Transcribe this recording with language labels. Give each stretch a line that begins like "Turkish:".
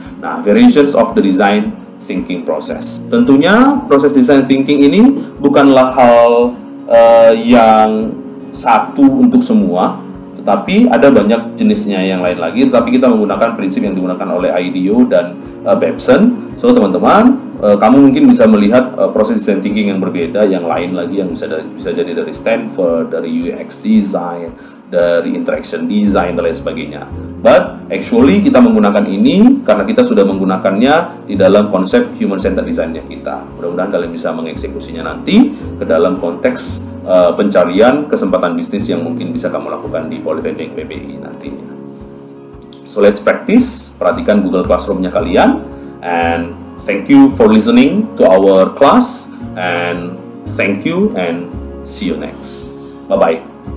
English: Nah, variations of the design thinking process.
Indonesian: Tentunya proses design thinking ini bukanlah hal yang satu untuk semua, Tapi ada banyak jenisnya yang lain lagi, tapi kita menggunakan prinsip yang digunakan oleh IDEO dan Babson. So teman-teman, kamu mungkin bisa melihat proses design thinking yang berbeda, yang lain lagi, yang bisa jadi dari Stanford, dari UX design, dari interaction design, dan lain sebagainya. But actually kita menggunakan ini karena kita sudah menggunakannya di dalam konsep human centered design-nya kita. Mudah-mudahan kalian bisa mengeksekusinya nanti ke dalam konteks pencarian kesempatan bisnis yang mungkin bisa kamu lakukan di Politeknik PBI nantinya.
English: So let's practice,
Indonesian: perhatikan Google Classroom-nya kalian,
English: and thank you for listening to our class, and thank you and see you next. Bye-bye.